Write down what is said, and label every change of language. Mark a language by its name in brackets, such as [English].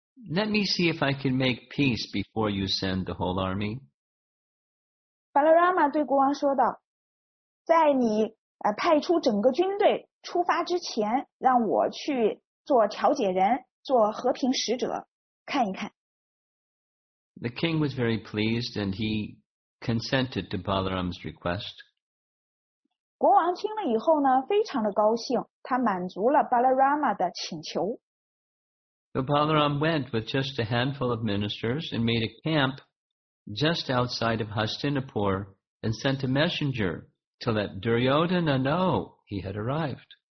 [English] let me see if I can make peace before you send the whole army. [Chinese] Balarama 对国王说道，在你派出整个军队出发之前，让我去做调解人，做和平使者，看一看。 [English] The king was very pleased and he consented to Balaram's request. [Chinese] 国王听了以后呢，非常的高兴，他满足了 Balarama 的请求。 [English] So Balaram went with just a handful of ministers and made a camp just outside of Hastinapur and sent a messenger to let Duryodhana know he had arrived.